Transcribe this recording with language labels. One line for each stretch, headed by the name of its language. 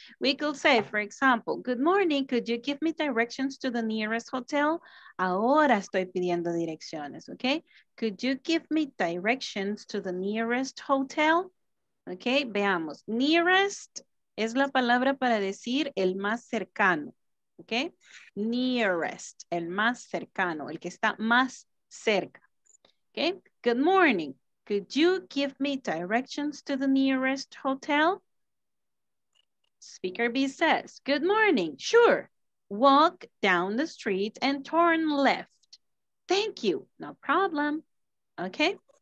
English: We could say, for example, good morning, could you give me directions to the nearest hotel?
Spanish: Ahora estoy pidiendo direcciones, okay?
English: Could you give me directions to the nearest hotel?
Spanish: Okay, veamos. Nearest es la palabra para decir el más cercano. Okay, nearest, el más cercano, el que está más cerca.
English: Okay, good morning. Could you give me directions to the nearest hotel? Speaker B says, good morning. Sure. Walk down the street and turn left. Thank you. No problem. Okay.